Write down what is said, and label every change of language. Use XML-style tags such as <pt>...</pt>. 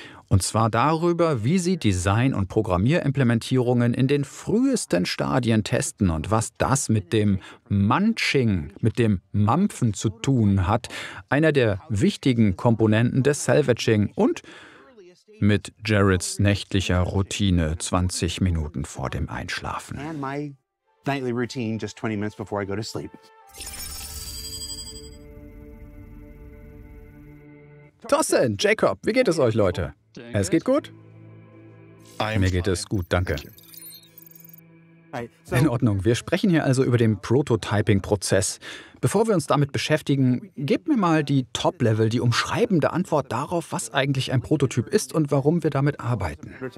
<de>Und zwar darüber, wie sie Design- und Programmierimplementierungen in den frühesten Stadien testen und was das mit dem Munching, mit dem Mampfen zu tun hat, einer der wichtigen Komponenten des Salvaging, und mit Jareds nächtlicher Routine 20 Minuten vor dem Einschlafen.</de> <en>And my nightly routine just 20 minutes before I go to sleep.</en> <de>Thorsten, Jacob, wie geht es euch, Leute? Es geht gut? Mir geht es gut, danke. In Ordnung, wir sprechen hier also über den Prototyping-Prozess. Bevor wir uns damit beschäftigen, gebt mir mal die Top-Level, die umschreibende Antwort darauf, was eigentlich ein Prototyp ist und warum wir damit arbeiten.</de>